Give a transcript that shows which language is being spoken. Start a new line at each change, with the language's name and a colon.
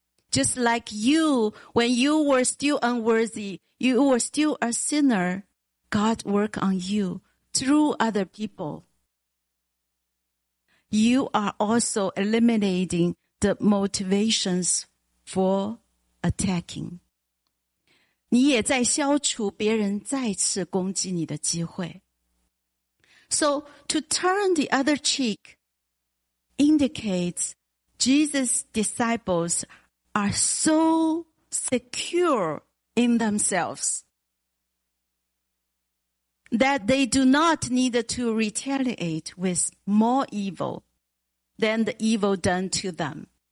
English: Just like you, when you were still unworthy, you were still a sinner, God worked on you through other people. You are also eliminating the motivations for attacking.
Chinese: 你也在消除别人再次攻击你的机会。
English: So to turn the other cheek indicates Jesus' disciplesare so secure in themselves that they do not need to retaliate with more evil than the evil done to them.